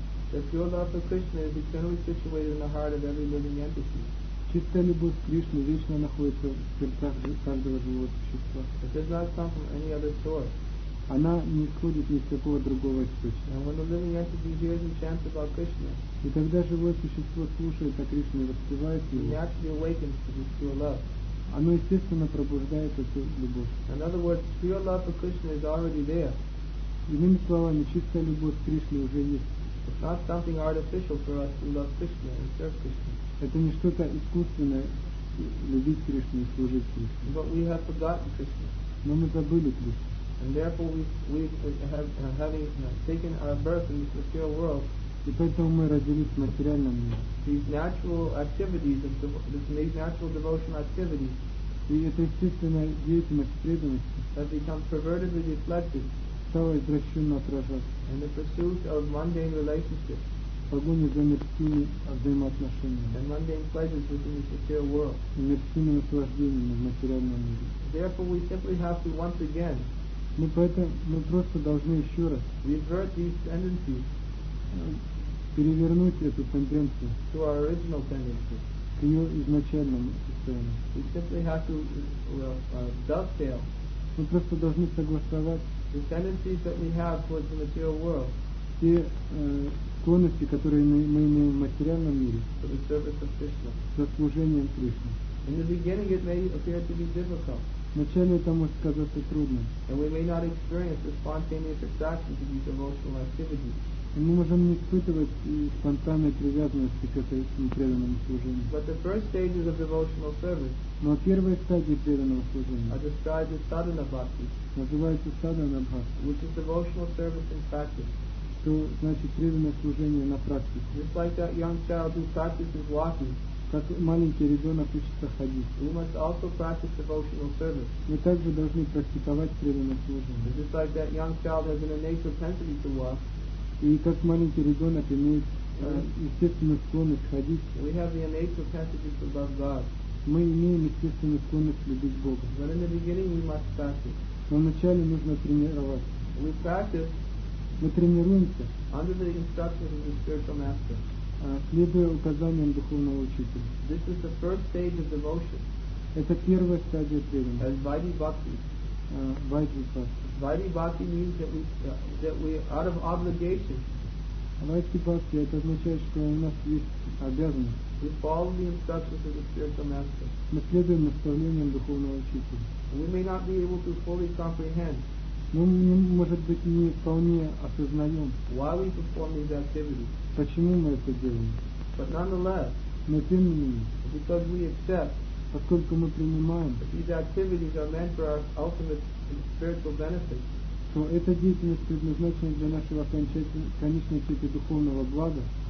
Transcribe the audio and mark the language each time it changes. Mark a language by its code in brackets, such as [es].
[en] The pure love of Krishna is eternally situated in the heart of every living entity. [ru] Чистая любовь к Кришне вечно находится в сердцах каждого живого существа. [en] It does not come from any other source. [ru] Она не исходит ни из какого другого источника. [en] And when the living entity hears and chants about Krishna, [ru] и когда живое существо слушает о Кришне и воспевает его, [en] it naturally awakens to this pure love. [ru] Оно естественно пробуждает эту любовь. [en] In other words, pure love of Krishna is already there. [ru] Иными словами, чистая любовь к Кришне уже есть. [en] It's not something artificial for us to love Krishna and serve Krishna. [ru] Это не что-то искусственное любить Кришну и служить Кришне. [en] But we have forgotten Krishna. [ru] Но мы забыли Кришну. [en] And therefore we have taken our birth in this material world. [ru] И поэтому мы родились в материальном мире. [en] These natural activities and these natural devotional activities. [ru] И эта естественная деятельность преданности. [en] Have become pervertedly reflected. [ru] Стало извращенно отражаться. [en] And the pursuit of mundane relationships. [ru] Погоня за мирскими взаимоотношениями. [en] And mundane pleasures within this material world. [ru] И мирскими наслаждениями в материальном мире. [en] Therefore, we simply have to once again. [ru] Мы поэтому мы просто должны еще раз. [en] Revert these tendencies. [ru] Перевернуть эту тенденцию. [en] To our original tendency. [ru] К ее изначальному состоянию. [en] We simply have to dovetail. [ru] Мы просто должны согласовать. [en] The tendencies that we have towards the material world. [ru] Те склонности, которые мы имеем в материальном мире. [en] For the service of Krishna. [ru] За служением Кришне. [en] In the beginning it may appear to be difficult. [ru] Вначале это может казаться трудным. [en] And we may not experience the spontaneous attraction to these emotional activities. [ru] И мы можем не испытывать спонтанной привязанности к этому преданному служению. [en] But the first stages of devotional service. [ru] Но первые стадии преданного служения. [en] Are described as sadhana bhakti. [ru] Называется sadhana bhakti. [en] Which is devotional service in practice. [ru] Что значит преданное служение на практике. [en] Just like that young child who practices walking. [ru] Как маленький ребенок учится ходить. [en] We must also practice devotional service. [ru] Мы также должны практиковать преданное служение. [en] Just like that young child has an innate propensity to walk. [ru] И как маленький ребенок имеет естественную склонность ходить. [en] We have the innate propensity to love God. [ru] Мы имеем естественную склонность любить Бога. [en] But in the beginning we must practice. [ru] Но вначале нужно тренироваться. [en] We practice. [ru] Мы тренируемся. [en] Under the instructions of the spiritual master. [ru] Следуя указаниям духовного учителя. [en] This is the first stage of devotion. [ru] Это первая стадия преданности. [en] As Vaidhi Bhakti. [sa] Vaidhi [en] Bhakti means that we out of obligation. [ru] Vaidhi Bhakti, это означает, что у нас есть обязанность. [en] We follow the instructions of the spiritual master. [ru] Мы следуем наставлениям духовного учителя. [en] We may not be able to fully comprehend. [ru] Но мы, может быть, не вполне осознаем. [en] Why we perform these activities. [ru] Почему мы это делаем. [en] But nonetheless. [ru] Но тем не менее. [en] Because we accept. [ru] Поскольку мы принимаем. [en] That these activities are meant for our ultimate spiritual benefit. [ru] Но эта деятельность предназначена для нашего конечной цели духовного блага.